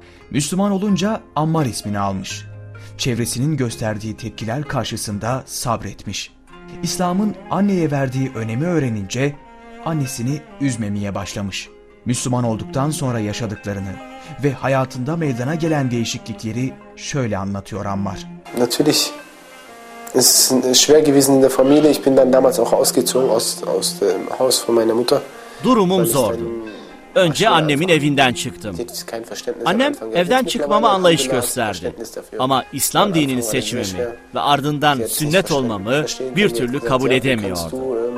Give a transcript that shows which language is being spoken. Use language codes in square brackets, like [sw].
[tr] Müslüman olunca Ammar ismini almış. Çevresinin gösterdiği tepkiler karşısında sabretmiş. İslam'ın anneye verdiği önemi öğrenince annesini üzmemeye başlamış. Müslüman olduktan sonra yaşadıklarını ve hayatında meydana gelen değişiklikleri şöyle anlatıyor Ammar. [de] Natürlich. Es ist schwer gewesen in der Familie. Ich bin dann damals auch ausgezogen aus dem Haus von meiner Mutter. [tr] Durumum zordu. Önce annemin evinden çıktım. Annem evden çıkmama anlayış gösterdi. Ama İslam dinini seçmemi ve ardından sünnet olmamı bir türlü kabul edemiyordu.